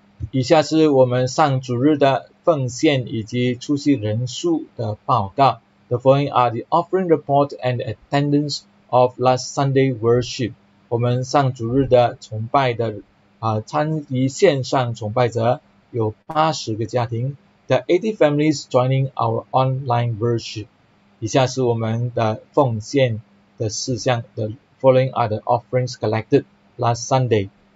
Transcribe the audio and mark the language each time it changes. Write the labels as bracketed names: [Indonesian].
[Chinese] 以下是我们上主日的奉献以及出席人数的报告。 [English] The following are the offering report and attendance of last Sunday worship. [Chinese] 我们上主日的崇拜的参与线上崇拜者有80个家庭。 [English] The 80 families joining our online worship. [Chinese] 以下是我们的奉献的事项。 [English] The following are the offerings collected last Sunday.